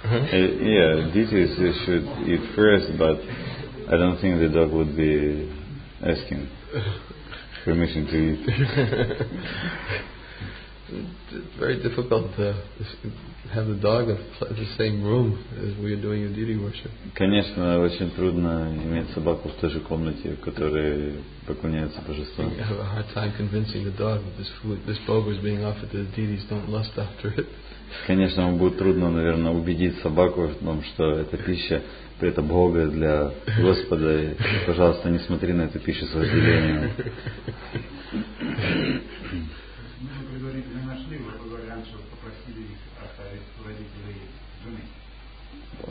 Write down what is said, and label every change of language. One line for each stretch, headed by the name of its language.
English: Yeah, deities should eat first, but I don't think the dog would be asking permission to eat. It's very difficult to have the dog in the same room as we are doing a deity worship.
Russian: Конечно, очень трудно иметь собаку в той же комнате, в которой поклоняется божество.
English: You have a hard time convincing the dog that this food, this boga is being offered to the deities, don't lust after it.
Russian: Конечно, вам будет трудно, наверное, убедить собаку в том, что эта пища – это Бога для Господа. И, пожалуйста, не смотри на эту пищу с вожделением. Мы же предварительно нашли, вы говорили, что попросили их оставить родителей вместе.